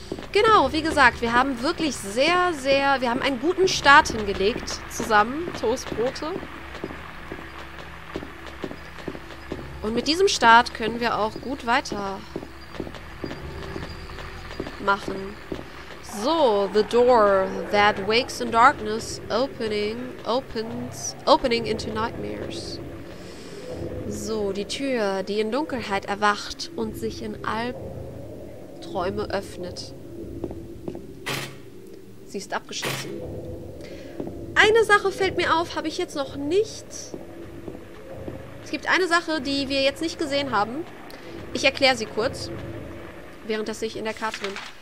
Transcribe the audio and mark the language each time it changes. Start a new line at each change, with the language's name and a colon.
German: Genau, wie gesagt, wir haben wirklich sehr, sehr... Wir haben einen guten Start hingelegt zusammen, Toastbrote. Und mit diesem Start können wir auch gut weitermachen.
English: So, the door that wakes in darkness, opening into nightmares.
German: So, die Tür, die in Dunkelheit erwacht und sich in Albträume öffnet. Sie ist abgeschlossen. Eine Sache fällt mir auf, habe ich jetzt noch nicht... Es gibt eine Sache, die wir jetzt nicht gesehen haben. Ich erkläre sie kurz, während das ich in der Karte bin.